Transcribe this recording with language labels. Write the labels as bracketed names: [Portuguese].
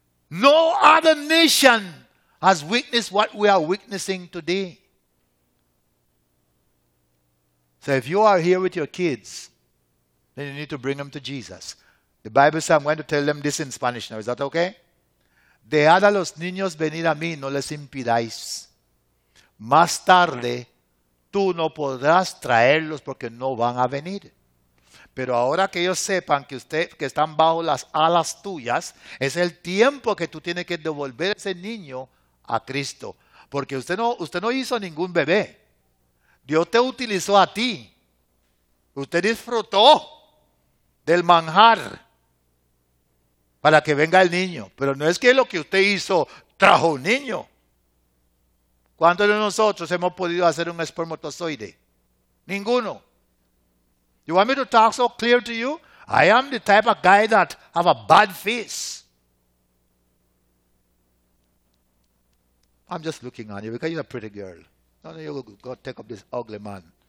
[English] No other nation has witnessed what we are witnessing today. So if you are here with your kids, then you need to bring them to Jesus. The Bible says, I'm going to tell them this in Spanish now. Is that okay? [Spanish] Dejad a los niños venir a mí, no les impidáis. Más tarde, tú no podrás traerlos porque no van a venir. Pero ahora que ellos sepan que usted, que están bajo las alas tuyas, es el tiempo que tú tienes que devolver ese niño a Cristo. Porque usted no hizo ningún bebé. Dios te utilizó a ti. Usted disfrutó del manjar para que venga el niño. Pero no es que lo que usted hizo trajo un niño. ¿Cuántos de nosotros hemos podido hacer un espermatozoide? Ninguno. [English] You want me to talk so clear to you? I am the type of guy that have a bad face. I'm just looking at you because you're a pretty girl. No, you go take up this ugly man.